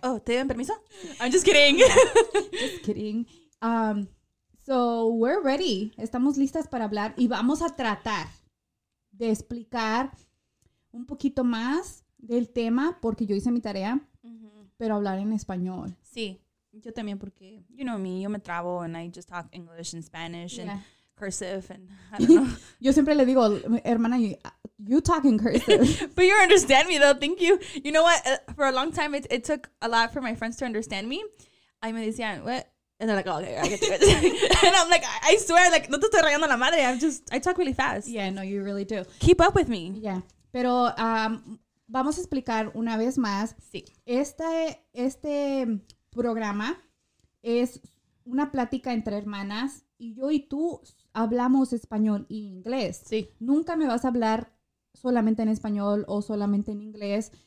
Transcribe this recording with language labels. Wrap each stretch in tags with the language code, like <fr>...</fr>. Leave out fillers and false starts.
<es>Oh, ¿te dieron permiso?</es> <en>I'm just kidding. So, we're ready.</en> <es>Estamos listas para hablar y vamos a tratar de explicar un poquito más del tema porque yo hice mi tarea, uh-huh. Pero hablar en español. Sí. Yo también porque,</es> <en>you know me,</en> <es>yo me trabo</es> <en>and I just talk English and Spanish and cursive and I don't know.</en> <es>Yo siempre le digo, hermana,</es> <en>you talk in cursive. But you understand me though, thank you. You know what, for a long time it took a lot for my friends to understand me.</en> <es>Ay, me decían,</es> <en>what? And they're like, oh, okay, I get you. And I'm like, I swear, like,</en> <es>no te estoy rayando la madre,</es> <en>I talk really fast. Yeah, no, you really do. Keep up with me.</en> <es>Yeah, pero vamos a explicar una vez más. Sí. Este programa es una plática entre hermanas y yo y tú hablamos español e inglés. Sí. Nunca me vas a hablar solamente en español o solamente en inglés.</es>